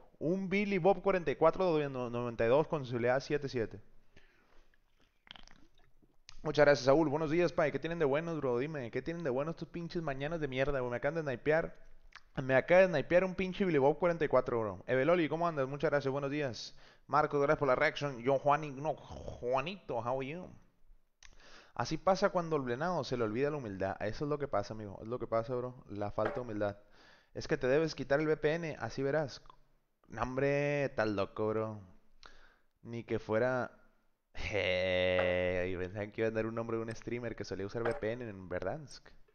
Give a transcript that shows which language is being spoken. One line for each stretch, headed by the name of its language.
Spanish: Un Billy Bob 44-92 con sensibilidad 7-7. Muchas gracias, Saúl. Buenos días, pay. ¿Qué tienen de buenos, bro? Dime, ¿qué tienen de buenos estos pinches mañanas de mierda, güey? Me acaban de snipear. Me acaban de snipear un pinche Billy Bob 44, bro. Eveloli, ¿cómo andas? Muchas gracias, buenos días. Marco, gracias por la reacción.
English: Yo, Juan, no, Juanito, how are you?
Spanish: Así pasa cuando el venado se le olvida la humildad. Eso es lo que pasa, amigo. Es lo que pasa, bro. La falta de humildad. Es que te debes quitar el VPN. Así verás. Nombre, tal loco, bro. Ni que fuera... Hey, pensaban que iba a dar un nombre de un streamer que solía usar VPN en Verdansk.